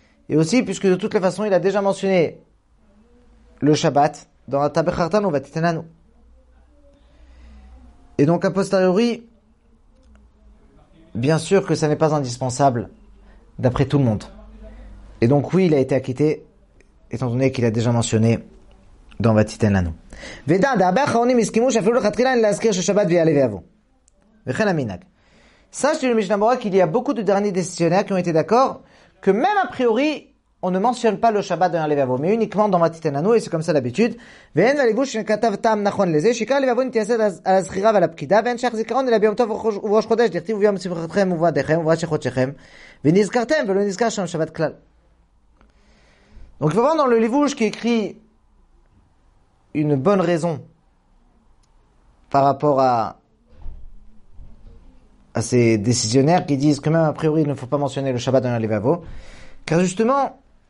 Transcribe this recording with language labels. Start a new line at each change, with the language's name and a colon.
French: Et aussi, puisque de toutes les façons il a déjà mentionné le Shabbat dans Ata Bechartanu ותיתן לנו. Et donc a posteriori, bien sûr que ça n'est pas indispensable d'après tout le monde. Et donc oui, il a été acquitté, étant donné qu'il a déjà mentionné dans ותיתן לנו.
Hebrew: ודע, דהרבה אחרונים הסכימו שאפילו לכתחילה אין להזכיר ששבת ויעלה ויבוא. וכן המנהג.
French: Sache le Mishnah Berurah qu'il y a beaucoup de derniers décisionnaires qui ont été d'accord que même a priori, on ne mentionne pas le Shabbat dans ותיתן לנו, mais uniquement dans ותיתן לנו, et c'est comme ça l'habitude.
Hebrew: ואין ולבוש שכתב טעם נכון לזה, שיקר לבוא נתייסד על הזכירה ועל הפקידה, ואין שייך זיכרון אלא ביום טוב ובראש חודש, דכתיב וביום שמחתכם ובועדיכם ובראשי חודשיכם, ונזכרתם ולא נזכר שם שבת כלל.
French: Donc, il faut voir dans le Livouche qui écrit une bonne raison par rapport à ces décisionnaires qui disent que même a priori il ne faut pas mentionner le Shabbat dans les Levavos, car justement